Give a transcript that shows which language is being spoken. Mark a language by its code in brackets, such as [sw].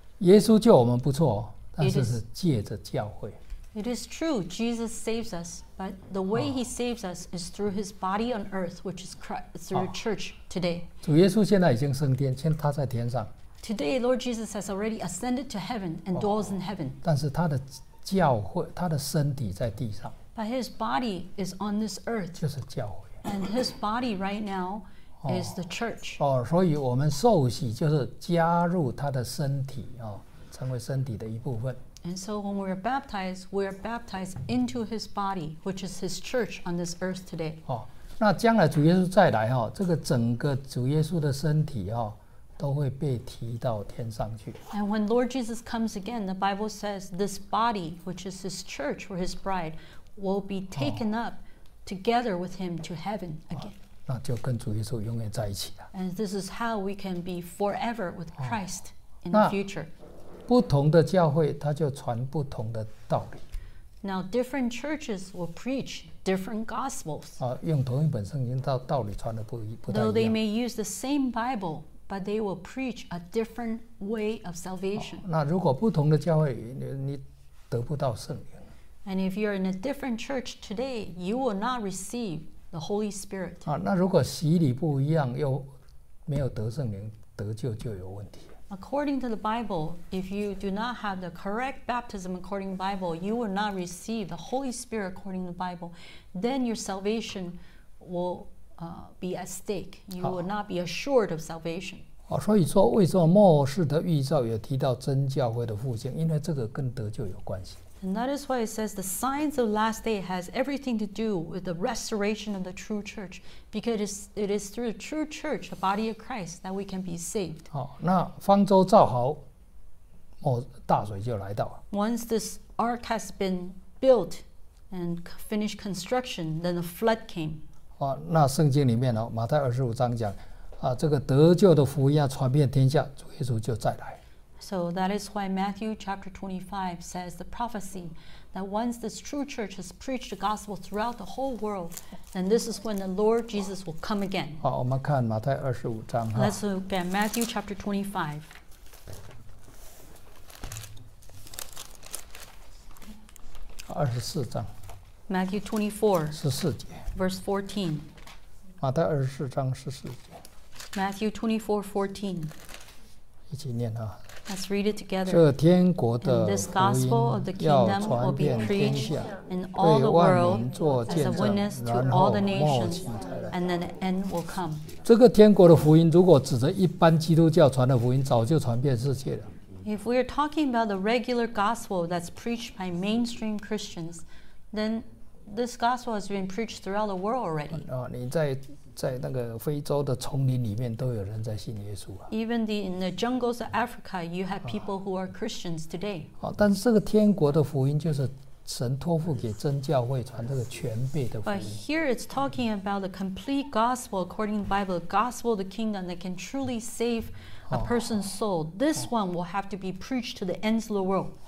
[zh] 耶稣救我们不错，但是是借着教会。 [en] It is true, Jesus saves us, but the way he saves us is through his body on earth, which is Christ, through the church today. [zh] 主耶稣现在已经升天，现在他在天上。 [en] Today, Lord Jesus has already ascended to heaven and dwells in heaven. [zh] 但是他的教会，他的身体在地上。 [en] But his body is on this earth. [zh] 就是教会。 [en] And his body right now is the church. [zh] 哦，所以我们受洗就是加入他的身体啊，成为身体的一部分。 [en] And so when we are baptized, we are baptized into his body, which is his church on this earth today. [zh] 哦，那将来主耶稣再来哈，这个整个主耶稣的身体哈。都会被提到天上去。 [en] And when Lord Jesus comes again, the Bible says this body, which is his church or his bride, will be taken up together with him to heaven again. [zh] 那就跟主耶稣永远在一起了。 [en] And this is how we can be forever with Christ in the future. [zh] 不同的教会，他就传不同的道理。 [en] Now different churches will preach different gospels. [zh] 用同一本圣经，道理传的不太一样。 [en] Though they may use the same Bible. But they will preach a different way of salvation. [zh] 那如果不同的教会，你得不到圣灵。 [en] And if you're in a different church today, you will not receive the Holy Spirit. [zh] 那如果洗礼不一样，又没有得圣灵，得救就有问题。 [en] According to the Bible, if you do not have the correct baptism according to the Bible, you will not receive the Holy Spirit according to the Bible, then your salvation will be at stake. You will not be assured of salvation. [zh] 好，所以说为什么末世的预兆有提到真教会的复兴，因为这个跟得救有关系。 [en] And that is why it says the signs of last day has everything to do with the restoration of the true church, because it is through the true church, the body of Christ, that we can be saved. [zh] 好，那方舟造好，末大水就来到。 [en] Once this ark has been built and finished construction, then the flood came. [zh] 好，那圣经里面哦，马太二十五章讲，啊，这个得救的福音要传遍天下，主耶稣就再来。 [en] So that is why Matthew chapter 25 says the prophecy that once this true church has preached the gospel throughout the whole world, then this is when the Lord Jesus will come again. [zh] 好，我们看马太二十五章。 [en] Let's look at Matthew chapter [zh] 25. 二十四章。 [en] Matthew 24. [zh] 十四节。 [en] Verse 14. [zh] 马太二十四章十四节。 [en] Matthew 24:14. [zh] 一起念啊。 [en] Let's read it together. [zh] 这天国的福音要传遍天下，对万民做见证，然后末期才来。 [en] And then the end will come. [zh] 这个天国的福音，如果指着一般基督教传的福音，早就传遍世界了。 [en] If we are talking about the regular gospel that's preached by mainstream Christians, then this gospel has been preached throughout the world already. [zh] 你在那个非洲的丛林里面都有人在信耶稣、啊、 [en] Even in the jungles of Africa, you have people who are Christians today. [zh] 但是这个天国的福音就是神托付给真教会传这个全备的福音。 [en] But here it's talking about the complete gospel according to the Bible, gospel of the kingdom that can truly save a person's soul. This one will have to be preached to the ends of the world.